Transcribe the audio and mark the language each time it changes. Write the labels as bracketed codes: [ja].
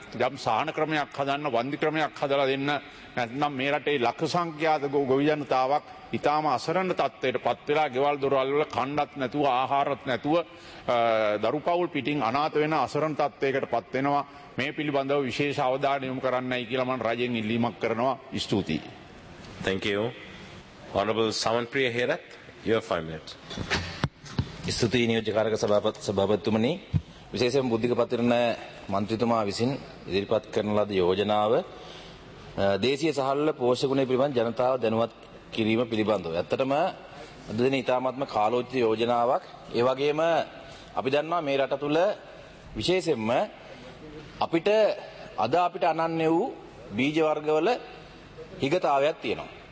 [si] යම් සාහන ක්‍රමයක් හදන්න වන්දි ක්‍රමයක් හදලා දෙන්න නැත්නම් මේ රටේ ලක්ෂ සංඛ්‍යාත ගොවි ජනතාවක් ඉතාම අසරණ තත්ත්වයට පත් වෙලා ගෙවල් දොරවල් වල කන්නත් නැතුව ආහාරත් නැතුව දරුපවුල් පිටින් අනාථ වෙන අසරණ තත්ත්වයකට පත් වෙනවා මේ පිළිබඳව විශේෂ අවධානය යොමු කරන්නයි කියලා මම රජෙන් ඉල්ලීමක් කරනවා ස්තුතියි [en] Thank you. Honorable Samanpriya Herath, you have 5 minutes. [si] ඉස්තුතියි නියෝජකාරක සභාපතිතුමනි විශේෂයෙන් බුද්ධික පතිරණ මන්ත්‍රීතුමා විසින් ඉදිරිපත් කරන ලද යෝජනාව දේශීය සහල්ල පෝෂක ගුණය පිළිබඳ ජනතාව දැනුවත් කිරීම පිළිබඳව. ඇත්තටම අද දින ඉතාමත්ම කාලෝචිත යෝජනාවක්. ඒ වගේම අපි දන්නවා මේ රට තුළ විශේෂයෙන්ම අපිට අද අපිට අනන්‍ය වූ බීජ වර්ගවල හිගතාවයක් තියෙනවා.